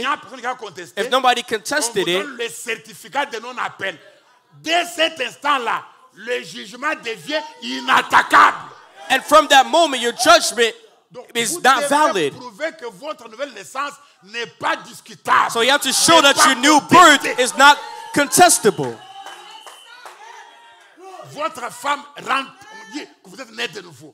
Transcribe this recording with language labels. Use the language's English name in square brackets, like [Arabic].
[French] si il y a personne qui a contesté, [English] if nobody contested [French] on vous donne [English] it, [French] le certificat de non-appel. Dès cet instant-là, le jugement devient inattaquable. [English] And from that moment, your judgment is [French] vous [English] not valid. [French] Prouver que votre nouvelle naissance n'est pas discutable. [English] So you have to show that your new birth is not contestable. [French] Votre femme rentre, vous êtes né de nouveau.